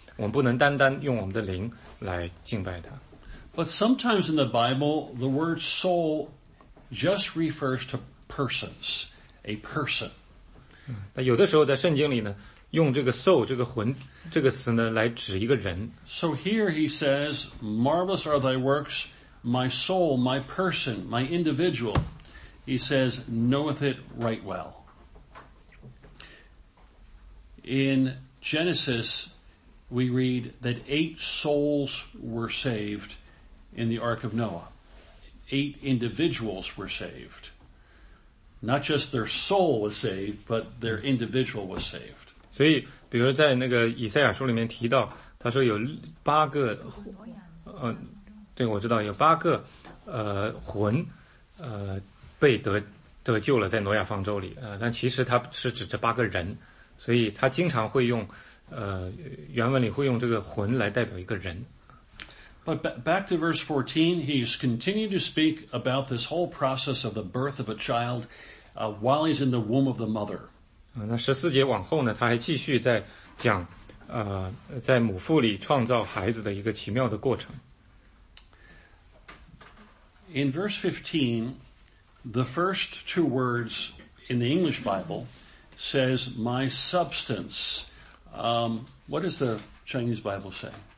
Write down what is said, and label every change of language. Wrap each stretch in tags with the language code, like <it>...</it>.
<zh>我们不能单单用我们的灵来敬拜他。</zh> <en>But sometimes in the Bible, the word soul just refers to persons, a person.</en> <zh>但有的时候在圣经里呢，用这个 soul 这个魂这个词呢来指一个人。</zh> <en>So here he says, "Marvelous are thy works." My soul, my person, my individual, he says, knoweth it right well. In Genesis, we read that 8 souls were saved in the Ark of Noah. 8 individuals were saved. Not just their soul was saved, but their individual was saved.</en> <zh>所以比如在那个以赛亚书里面提到，他说有八个对，我知道有八个，魂，被得救了，在挪亚方舟里，但其实它是指这八个人，所以它经常会用，原文里会用这个魂来代表一个人。</zh> <en>But back to verse 14, he's continuing to speak about this whole process of the birth of a child, while he's in the womb of the mother.</en> <zh>那十四节往后呢，他还继续在讲，在母腹里创造孩子的一个奇妙的过程。</zh> <en>In verse 15, the first two words in the English Bible says, my substance. What does the Chinese Bible say?</en>